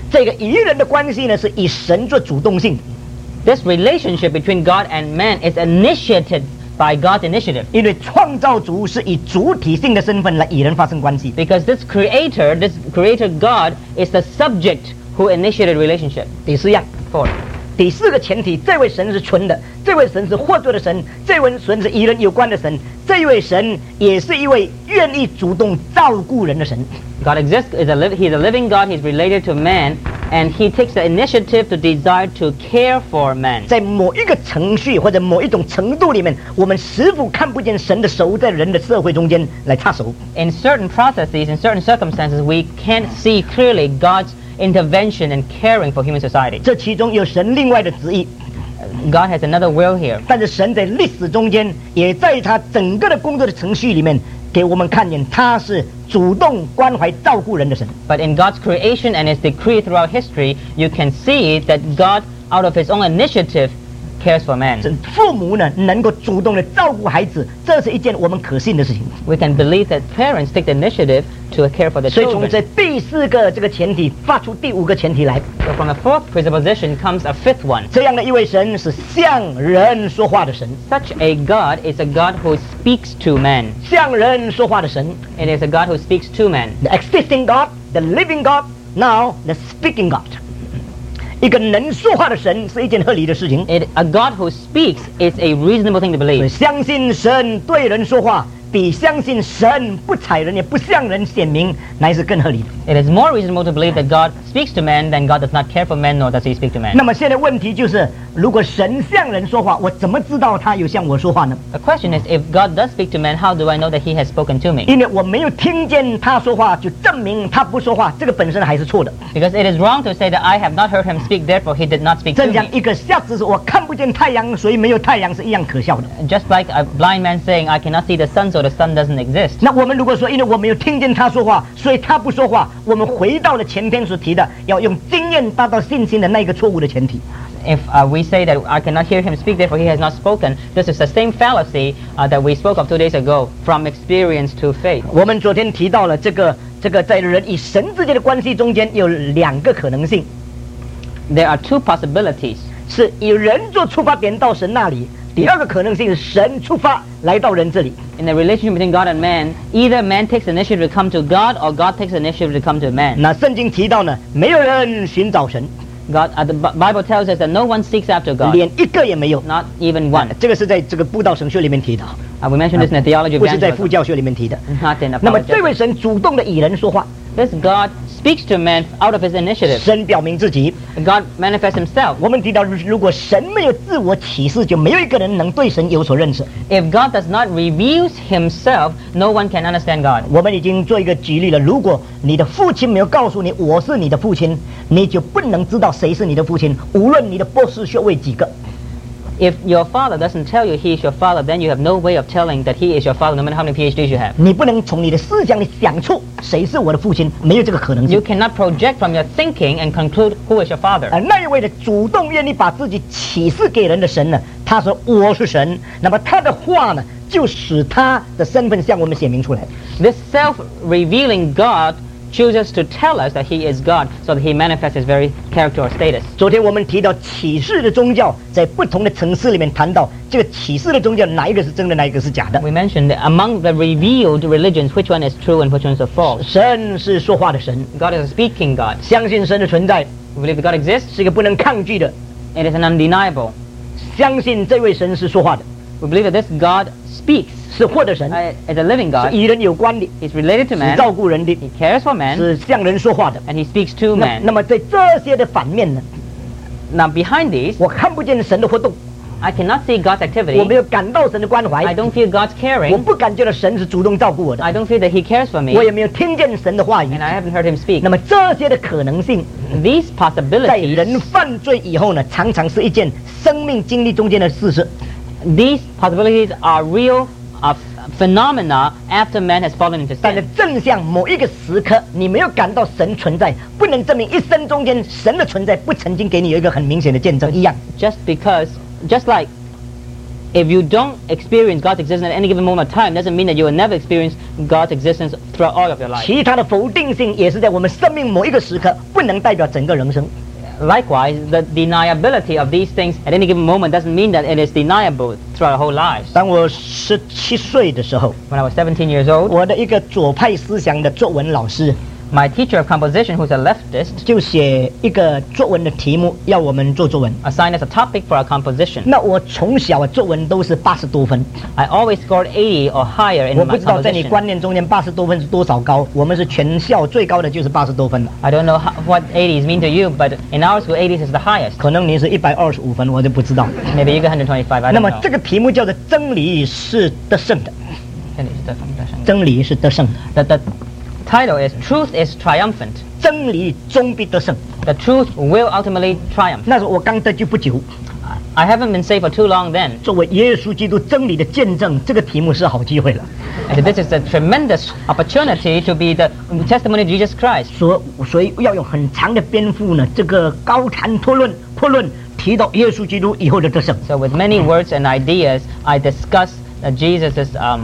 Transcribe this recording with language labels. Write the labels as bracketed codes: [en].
[zh] 这个与人的关系呢，是以神做主动性。 [en] This relationship between God and man is initiated by God's initiative. [zh] 因为创造主是以主体性的身份来与人发生关系。 [en] Because this creator God is the subject who initiated relationship. [zh] 第四样 [en] ，four。 [zh] 第四个前提，这位神是纯的，这位神是活着的神，这位神是与人有关的神，这位神也是一位愿意主动照顾人的神。 [en] God exists, he's a living God, he's related to man, and he takes the initiative to desire to care for man. [zh] 在某一个程序或者某一种程度里面，我们似乎看不见神的手在人的社会中间来插手。 [en] In certain processes, in certain circumstances, we can't see clearly God'sintervention and caring for human society. [zh] 这其中有神另外的旨意。 [en] God has another will here. [zh] 但是神在历史中间，也在他整个的工作的程序里面，给我们看见他是主动关怀照顾人的神。 [en] But in God's creation and His decree throughout history, you can see that God, out of His own initiative, cares for man. [zh] 父母呢，能够主动的照顾孩子，这是一件我们可信的事情。 [en] We can believe that parents take the initiative. To care for the children. [zh] 所以从这第四个这个前提发出第五个前提来。 [en] So from the fourth presupposition comes a fifth one. [zh] 这样的一位神是向人说话的神。 [en] Such a God is a God who speaks to man. [zh] 向人说话的神。 [en] It is a God who speaks to man. The existing God, the living God, now the speaking God. [zh] 一个能说话的神是一件合理的事情。 [en] A God who speaks is a reasonable thing to believe. [zh] 相信神对人说话。比相信神不睬人也不向人显明乃是更合理的。 [en] It is more reasonable to believe that God speaks to man than God does not care for man nor does he speak to man. [zh] 那么现在问题就是，如果神向人说话，我怎么知道他有向我说话呢？ [en] The question is, if God does speak to man, how do I know that he has spoken to me? [zh] 因为我没有听见他说话，就证明他不说话，这个本身还是错的。 [en] Because it is wrong to say that I have not heard him speak, therefore he did not speak to me. [zh] 正像一个瞎子说我看不见太阳，所以没有太阳是一样可笑的。 [en] Just like a blind man saying, I cannot see the sun, so the sun doesn't exist. [zh] 那我们如果说因为我没有听见他说话，所以他不说话，我们回到了前篇所提的要用经验达到信心的那个错误的前提。 [en] If we say that I cannot hear him speak, therefore he has not spoken, this is the same fallacy that we spoke of 2 days ago, from experience to faith. [zh] 我们昨天提到了这个在人与神之间的关系中间有两个可能性。 [en] There are two possibilities. [zh] 是以人做出发点到神那里。第二个可能性是神出发来到人这里。 [en] In the relationship between God and man, either man takes initiative to come to God or God takes initiative to come to man. [zh] 那圣经提到呢，没有人寻找神。 [en] The Bible tells us that no one seeks after God. [zh] 连一个也没有。 [en] Not even one. [zh] 这个是在这个布道神学里面提到。 [en] We mentioned this in the theology of evangelism. [zh] 不是在副教学里面提的。 [en] Not in [zh] the 那么这位神主动的与人说话。 [en] This God speaks to man out of his initiative. [zh] 神表明自己。 [en] God manifests himself. [zh] 我们提到，如果神没有自我启示，就没有一个人能对神有所认识。 [en] If God does not reveal himself, no one can understand God. [zh] 我们已经做一个举例了。如果你的父亲没有告诉你我是你的父亲，你就不能知道谁是你的父亲，无论你的博士学位几个。 [en] If your father doesn't tell you he is your father, then you have no way of telling that he is your father, no matter how many PhDs you have. [zh] 你不能从你的思想里想出谁是我的父亲，没有这个可能性。 [en] You cannot project from your thinking and conclude who is your father. [zh] 那一位的主动愿意把自己启示给人的神呢？他说我是神，那么他的话呢，就使他的身份向我们显明出来。 [en] This self-revealing God. Chooses to tell us that he is God, so that he manifests his very character or status. [zh] 昨天我们提到启示的宗教，在不同的层次里面谈到这个启示的宗教，哪一个是真的，哪一个是假的。 [en] We mentioned that among the revealed religions, which one is true and which one is false. [zh] 神是说话的神。 [en] God is a speaking God. [zh] 相信神的存在。 [en] We believe that God exists. [zh] 是一个不能抗拒的。 [en] It is an undeniable. [zh] 相信这位神是说话的。 [en] We believe that this God speaks. [zh] 是活的神 [en] is a living God, [zh] 是与人有关的 [en] is related to man, [zh] 是照顾人的 [en] he cares for man, [zh] 是向人说话的 [en] and he speaks to man. [zh] 那么在这些的反面呢 [en] Now behind these, [zh] 我看不见神的活动 [en] I cannot see God's activity, [zh] 我没有感到神的关怀 [en] I don't feel God's caring, [zh] 我不感觉到神是主动照顾我的 [en] I don't feel that he cares for me, [zh] 我也没有听见神的话语 [en] and I haven't heard him speak. [zh] 那么这些的可能性 [en] these possibilities, [zh] 在人犯罪以后呢常常是一件生命经历中间的事实 [en] these possibilities are realA phenomena after man has fallen into sin. [zh] 但是正像某一个时刻，你没有感到神存在，不能证明一生中间神的存在不曾经给你有一个很明显的见证一样。 [en] Just because, just like if you don't experience God's existence at any given moment of time, doesn't mean that you will never experience God's existence throughout all of your life. [zh] 其他的否定性也是在我们生命某一个时刻，不能代表整个人生。 [en] Likewise, the deniability of these things at any given moment doesn't mean that it is deniable throughout our whole lives. [zh] 当我17岁的时候 [en] When I was 17 years old, [zh] 我的一个左派思想的作文老师 [en] My teacher of composition, who's a leftist, [zh] 就写一个作文的题目要我们做作文 [en] Assigned as a topic for our composition. [zh] 那我从小作文都是80多分 [en] I always scored 80 or higher in my composition. [zh] 我不知道在你观念中间80多分是多少高我们是全校最高的就是80多分 [en] I don't know what 80s mean to you, but in our school, 80s is the highest. [zh] 可能你是125分我就不知道 [en] Maybe 125, I don't know. [zh] 那么这个题目叫做真理是得胜的真理是得胜的真理是得胜的 [en] The title is Truth is Triumphant. [zh] 真理终必得胜 [en] The truth will ultimately triumph. [zh] 那是我刚得救不久 [en] I haven't been saved for too long then. [zh] 作为耶稣基督真理的见证这个题目是好机会了 [en] And this is a tremendous opportunity to be the testimony of Jesus Christ. [zh] 所以要用很长的篇幅呢这个高谈阔论阔论提到耶稣基督以后的得胜 [en] So with many words and ideas, I discuss Jesus'